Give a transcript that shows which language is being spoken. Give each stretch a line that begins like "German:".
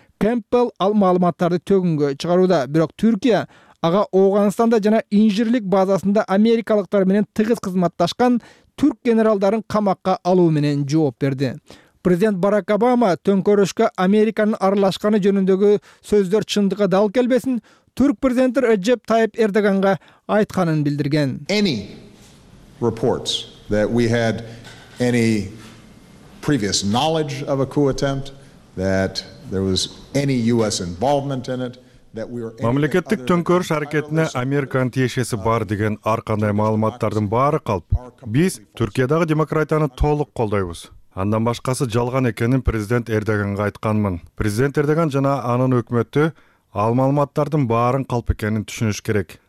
Kyrgyz: Кэмпбелл ал маалыматтарды төгүнгө чыгарууда, бирок Түркия ага Ооганстанда жана Инжирлик базасында америкалыктар менен тыгыз кызматташкан түрк генералдарын камакка алуу менен жооп берди. Президент Барак Обама төңкөрүшкө Американын аралашканы жөнүндөгү сөздөр чындыкка дал келбесин түрк президенти Реджеп Тайип Эрдоганга айтканын билдирген.
English: Any reports that we had any previous knowledge of a coup attempt, that there was any US involvement in it, that we were
Kyrgyz: Мамлекеттик төңкөрүш аракетине Американын тиешеси бар деген ар кандай маалыматтардын баары калп. Биз Түркиядагы демократияны толук колдойбуз. Андан башкасы жалган экенин президент Эрдоганга айтканмын. Президент Эрдоган жана анын өкмөтү ал маалыматтардын баарын калп экенин түшүнүш керек.